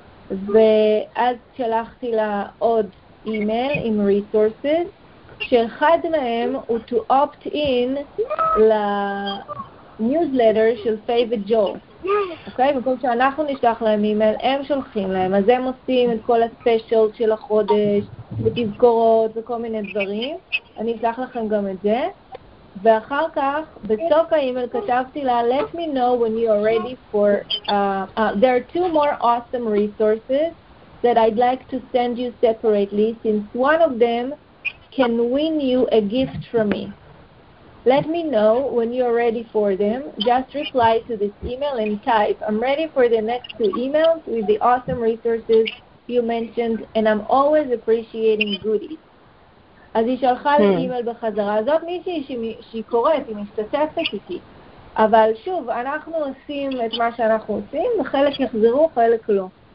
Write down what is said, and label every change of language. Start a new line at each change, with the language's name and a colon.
Hebrew: ואז שלחתי לה עוד אימייל עם resources, שאחד מהם הוא to opt in לניוזלטר של פיי וג'ו. אוקיי? במקום שאנחנו נשלח להם אימייל, הם שולחים להם. אז הם עושים את כל הספיישל של החודש, ותזכורות וכל מיני דברים. אני אשלח לכם גם את זה.
English: ואחר כך, בסוף האימייל כתבתי לה, let me know when you are ready for, there are two more awesome resources that I'd like to send you separately, since one of them can win you a gift from me. Let me know when you are ready for them. Just reply to this email and type, I'm ready for the next two emails with the awesome resources you mentioned, and I'm always appreciating goodies.
Hebrew: אז היא שלחה לי אימייל בחזרה, זאת מישהי שהיא קוראת, היא משתתפת איתי. אבל שוב, אנחנו עושים את מה שאנחנו עושים, וחלק יחזרו, חלק לא.